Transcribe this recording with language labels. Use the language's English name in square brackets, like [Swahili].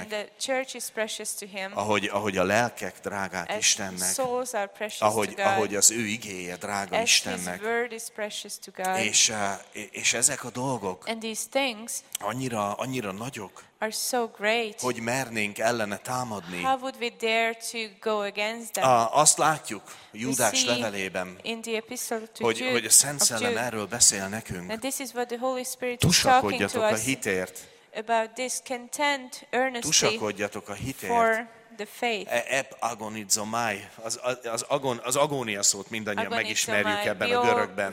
[English] And the church is precious to him. [Hungarian] Ahogy a lelkek drágák [English] as [Hungarian] Istennek. [English] Souls are precious [Hungarian] ahogy, [English] to God. [Hungarian] Ahogy az ő igéje drága [English] as [Hungarian] Istennek. [English] His word is precious to God. [Hungarian] És ezek a dolgok [English] and these things [Hungarian] annyira nagyok, [English] are so great, [Hungarian] hogy mernénk ellene támadni. [English] How would we dare to go against them? [Hungarian] Azt látjuk Júdás levelében, [English] in the epistle to [Hungarian] hogy a Szent Szellem erről beszél nekünk. [English] And this is what the Holy Spirit [Hungarian] tusakodjatok [English] is talking [Hungarian] a hitért, [English] about this content earnestly [Hungarian] tusakodjatok a hitért, [English] for the faith. [Hungarian] Ep agonizomai, az agónia szót mindannyian megismerjük ebben a görögben.